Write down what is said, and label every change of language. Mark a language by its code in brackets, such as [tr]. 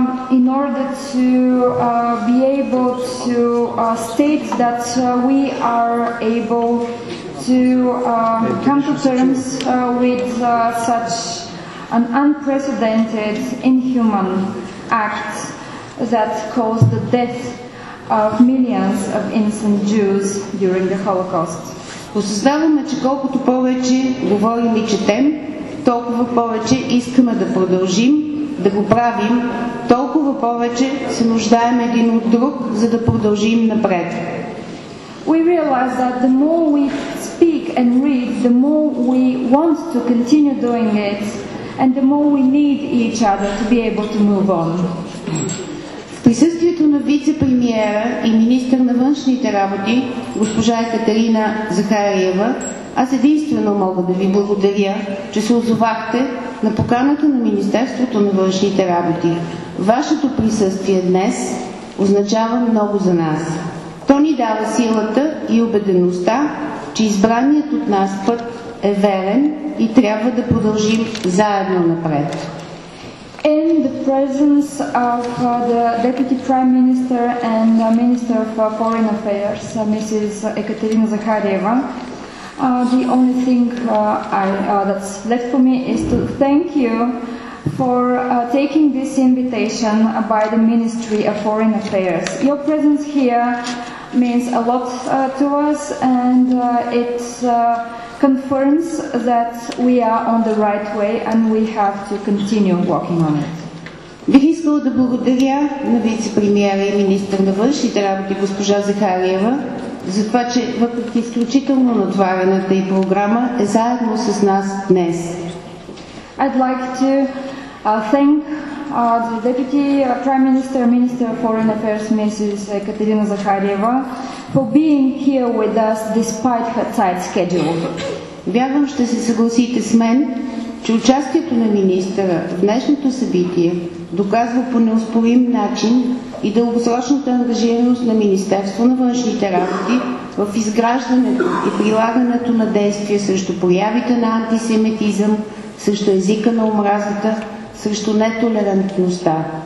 [en] in order to be able to state that we are able to come to terms with such an unprecedented, inhuman act that caused the death of millions of innocent Jews during the Holocaust. [bg] Осъзнаваме, че колкото повече говорим и четем, толкова повече искаме да продължим да го правим, толкова повече се нуждаем един от друг, за да продължим напред. [en] We realize that the more we speak and read, the more we want to continue doing it, and the more we need each other to be able to move on. [bg] В присъствието на вице-премиера и министър на външните работи, госпожа Екатерина Захариева, аз единствено мога да ви благодаря, че се отзовахте на поканата на Министерството на външните работи. Вашето присъствие днес означава много за нас. То ни дава силата и убедеността, че избраният от нас път е верен и трябва да продължим заедно напред. [en] In the presence of the Deputy Prime Minister and Minister of Foreign Affairs, Mrs. Екатерина Захариева, the only thing that's left for me is to thank you for taking this invitation by the Ministry of Foreign Affairs. Your presence here means a lot to us, and it confirms that we are on the right way and we have to continue working on it. [bg] Бих искала да благодаря на вице-премиера и министър на външните работи госпожа Захариева за това, че въпреки изключително натварената и програма е заедно с нас днес. [en] I'd like to thank the Deputy Prime Minister, Minister of Foreign Affairs, Mrs. Екатерина Захариева, for being here with us despite her tight schedule. [bg] Вярвам, ще се съгласите с мен, че участието на министъра в днешното събитие доказва по неоспорим начин и дългосрочната ангажираност на Министерство на външните работи в изграждането и прилагането на действия срещу проявите на антисемитизъм, срещу езика на омразата, срещу нетолерантността.